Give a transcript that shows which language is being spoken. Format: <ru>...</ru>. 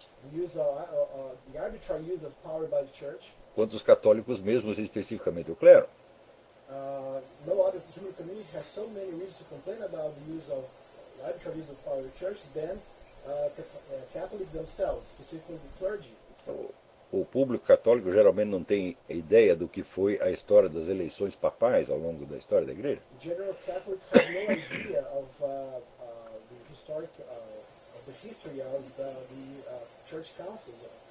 <en>The use of the arbitrary use of power by the church.</en> <pt>Quanto os católicos mesmo, especificamente o clero.</pt> <en>No other human community has so many reasons to complain about the use of the arbitrary use of power by the church than Catholics themselves, specifically the clergy.</en> <pt>O público católico geralmente não tem ideia do que foi a história das eleições papais ao longo da história da Igreja.</pt> <en>General Catholics have no idea of the historic of the history of the church councils.</en>